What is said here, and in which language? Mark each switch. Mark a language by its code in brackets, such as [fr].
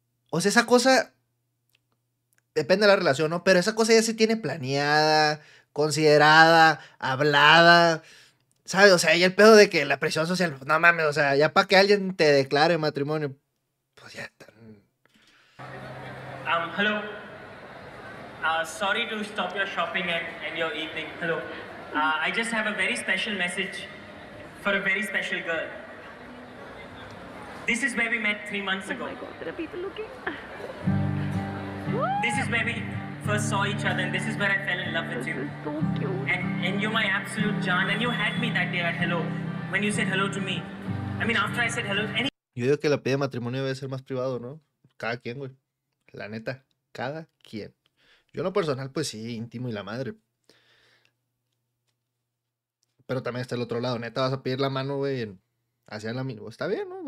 [es] O sea, esa cosa, depende de la relación, ¿no? Pero esa cosa ya se tiene planeada, considerada, hablada. ¿Sabes? O sea, y el pedo de que la presión social, no mames, o sea, ya para que alguien te declare matrimonio, pues ya está. [en] Hello. Sorry to stop your shopping and your evening. Hello. I just have a very special message for a very special girl. This is where we met 3 months ago. Oh my God, there are people looking. This is where we first saw each other, and this is where I fell in love with you. This is so cute. And you're my absolute John, and you had me that day at Hello, when you said hello to me. I mean, after I said hello to any... [es] Yo digo que la pide de matrimonio debe ser más privado, ¿no? Cada quien, güey. La neta, cada quien. Yo en lo personal, pues sí, íntimo y la madre. Pero también está el otro lado. Neta, vas a pedir la mano, güey, hacia el amigo. Está bien, ¿no?